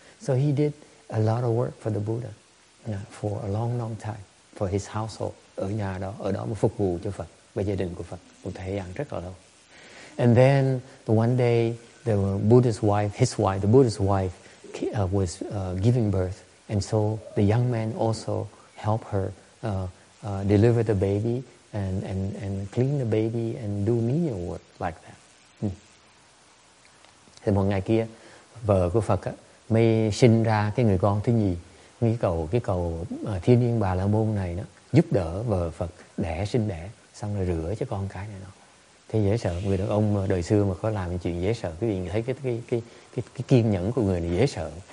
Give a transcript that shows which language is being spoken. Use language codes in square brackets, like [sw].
[en] So he did a lot of work for the Buddha. For a long, long time, for his household, [vi] ở nhà đó, ở đó mà phục vụ cho Phật, và gia đình của Phật, một thời gian rất là lâu. [en] And then one day, the Buddha's wife, his wife, the Buddha's wife, was giving birth, and so the young man also helped her deliver the baby and clean the baby and do menial work like that. [vi] Thì một ngày kia, vợ của Phật mới sinh ra cái người con thứ nhì. Cái cầu thiên nhiên bà la môn này đó giúp đỡ vợ Phật đẻ sinh đẻ xong rồi rửa cho con cái này nó thế dễ sợ. Người đàn ông đời xưa mà có làm những chuyện dễ sợ, quý vị thấy cái kiên nhẫn của người này dễ sợ.